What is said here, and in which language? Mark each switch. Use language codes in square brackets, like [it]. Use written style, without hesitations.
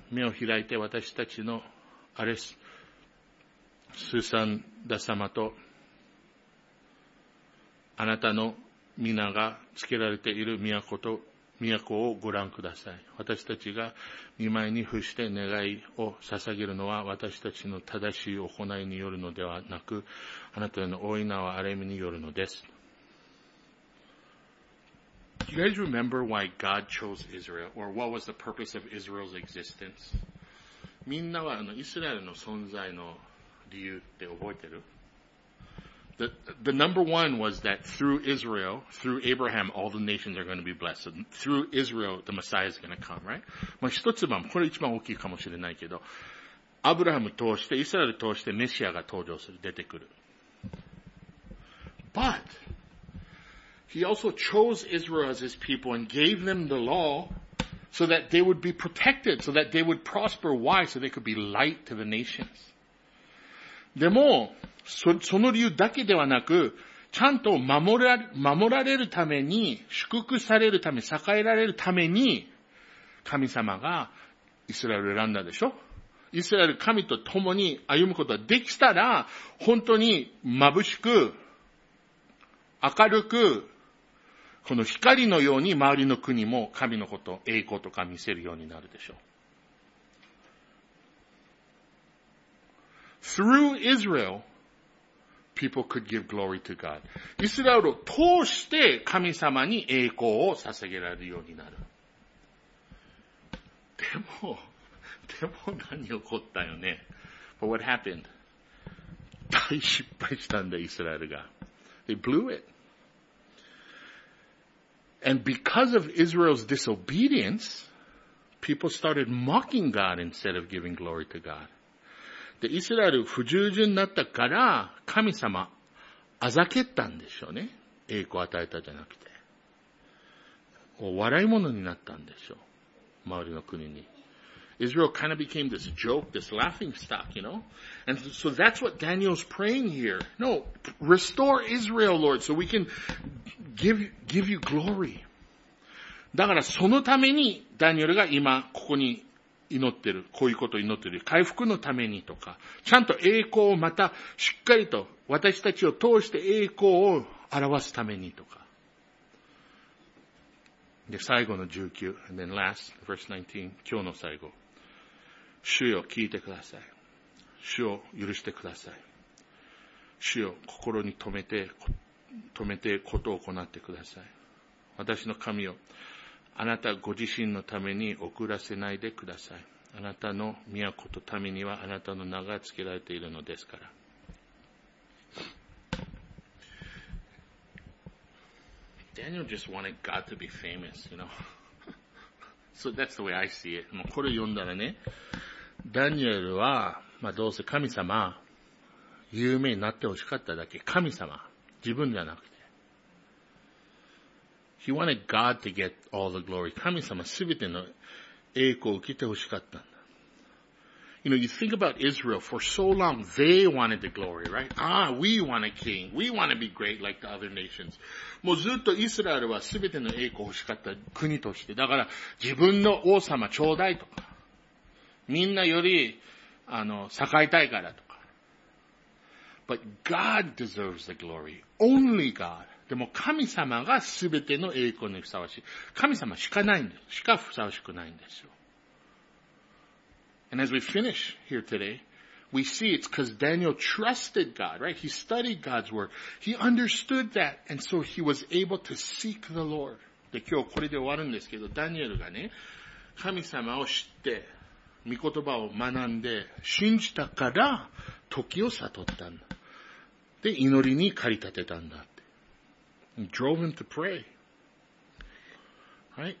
[ja] 目を開いて私たちのアレス、スーサンダ様と、あなたの皆がつけられている都をご覧ください。私たちが見舞いに伏して願いを捧げるのは、私たちの正しい行いによるのではなく、あなたの大いなる憐れみによるのです。 [en] Do you guys remember why God chose Israel? Or what was the purpose of Israel's existence? [ja] みんなはあのイスラエルの存在の理由って覚えてる? [en] The number one was that through Israel, through Abraham, all the nations are going to be blessed. And through Israel, the Messiah is going to come, right? [ja] まあ一つ番、これ一番大きいかもしれないけど、アブラハム通して、イスラエル通してメシアが登場する、出てくる。 [en] But,He also chose Israel as his people and gave them the law so that they would be protected, so that they would prosper. Why? So they could be light to the nations. [ja] でも、その理由だけではなく、ちゃんと守られるために、祝福されるため、栄えられるために、神様がイスラエルを選んだでしょ? イスラエル神と共に歩むことができたら、本当に眩しく、明るく、この光のように周りの国も神のこと、栄光とか見せるようになるでしょう。 [en] Through Israel, people could give glory to God. [ja] イスラエルを通して神様に栄光を捧げられるようになる。でも何起こったよね。 [en] But what happened? [ja] 大失敗したんだ、イスラエルが。 [en] They blew it. And because of Israel's disobedience, people started mocking God instead of giving glory to God. [ja] で、イスラエル不従順になったから、神様、あざけったんでしょうね。栄光を与えたじゃなくて。笑い者になったんでしょう。周りの国に。 [en] Israel kind of became this joke, this laughing stock, you know? And so that's what Daniel's praying here. No, restore Israel, Lord, so we can give you glory. [ja] だからそのためにダニエルが今ここに祈ってる、こういうことを祈ってる。回復のためにとか、ちゃんと栄光をまたしっかりと私たちを通して栄光を表すためにとか。で、最後の19、 [en] and then last, verse 19, [ja] 今日の最後。主よ、聞いてください。主を許してください。主よ、心に留めてことを行ってください。私の神よ、あなたご自身のために送らせないでください。あなたの都と民にはあなたの名が付けられているのですから。 [en] Daniel just wanted God to be famous, you know. So that's the way I see it. [ja] もうこれ読んだらね、ダニエルは、まあ、どうせ神様、有名になってほしかっただけ。神様。自分じゃなくて。 [en] He wanted God to get all the glory. [ja] 神様、すべての栄光を受けてほしかったんだ。 [en] You know, you think about Israel for so long, they wanted the glory, right? Ah, we want a king. We want to be great like the other nations. [ja] もうずっとイスラエルはすべての栄光を欲しかった国として。だから、自分の王様ちょうだいとか。みんなより、あの、栄えたいからとか。 [en] But God deserves the glory. Only God. [ja] でも神様がすべての栄光にふさわしい。神様しかないんです。しかふさわしくないんですよ。 [en] And as we finish here today, we see it's because Daniel trusted God, right? He studied God's word. He understood that. And so he was able to seek the Lord. [ja] で、今日これで終わるんですけど、ダニエルがね、神様を知って、御言葉を学んで、信じたから、時を悟ったんだ。で、祈りに駆り立てたんだって。 [en] He drove him to pray. Right?